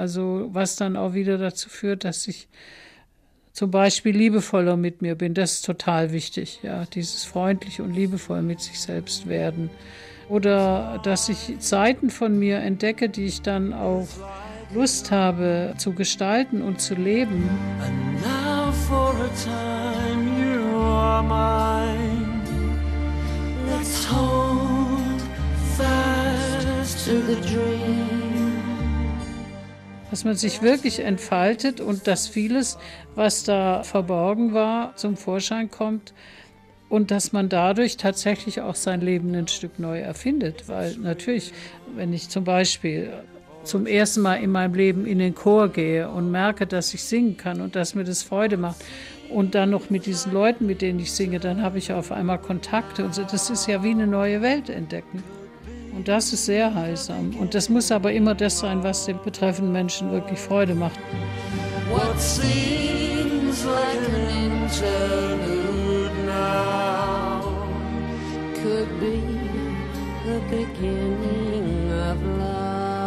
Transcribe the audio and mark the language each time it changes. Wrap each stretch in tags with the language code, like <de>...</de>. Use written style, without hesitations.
<de>Also was dann auch wieder dazu führt, dass ich zum Beispiel liebevoller mit mir bin, das ist total wichtig, ja, dieses freundlich und liebevoll mit sich selbst werden. Oder dass ich Seiten von mir entdecke, die ich dann auch Lust habe zu gestalten und zu leben.</de> <en>And now for a time you are mine. Let's hold fast to the dream.</en> <de>Dass man sich wirklich entfaltet und dass vieles, was da verborgen war, zum Vorschein kommt und dass man dadurch tatsächlich auch sein Leben ein Stück neu erfindet. Weil natürlich, wenn ich zum Beispiel zum ersten Mal in meinem Leben in den Chor gehe und merke, dass ich singen kann und dass mir das Freude macht und dann noch mit diesen Leuten, mit denen ich singe, dann habe ich auf einmal Kontakte und so. Das ist ja wie eine neue Welt entdecken. Und das ist sehr heilsam. Und das muss aber immer das sein, was den betreffenden Menschen wirklich Freude macht.</de> <en>What seems like an interlude now could be the beginning of love.</en>